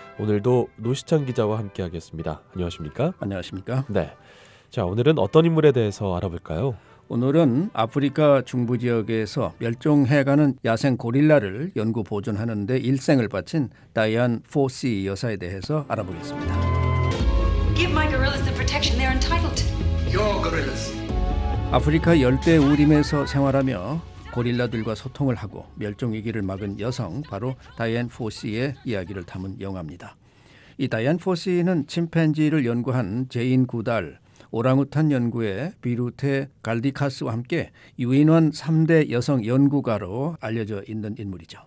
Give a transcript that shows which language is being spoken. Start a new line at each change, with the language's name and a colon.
Korean: 오늘도 노시창 기자와 함께하겠습니다. 안녕하십니까? 안녕하십니까? 네. 자, 오늘은 어떤 인물에 대해서 알아볼까요? 오늘은 아프리카 중부 지역에서 멸종해가는 야생 고릴라를 연구 보존하는 데 일생을 바친 다이안 포시 여사에 대해서 알아보겠습니다.
English: Give my gorillas the protection they're entitled to. Your gorillas.
Korean: 아프리카 열대 우림에서 생활하며 고릴라들과 소통을 하고 멸종 위기를 막은 여성, 바로 다이안 포시의 이야기를 담은 영화입니다. 이 다이안 포시는 침팬지를 연구한 제인 구달, 오랑우탄 연구의 비루테 갈디카스와 함께 유인원 3대 여성 연구가로 알려져 있는 인물이죠.